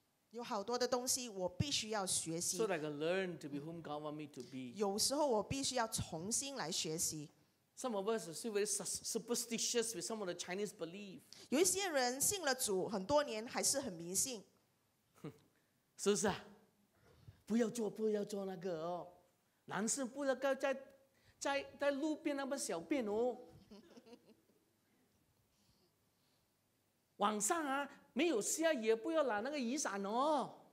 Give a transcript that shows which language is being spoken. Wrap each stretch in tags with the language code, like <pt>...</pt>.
<zh>有好多的东西我必须要学习</zh> <en>So that I can learn to be whom God wants me to be.</en> <zh>有时候我必须要重新来学习</zh> <en>Some of us are still very superstitious with some of the Chinese belief.</en> <zh>有一些人信了主很多年还是很迷信是不是啊？不要做，不要做那个哦。男生不要够在在路边那么小便哦，晚上啊没有下也不要拿那个雨伞哦。</zh>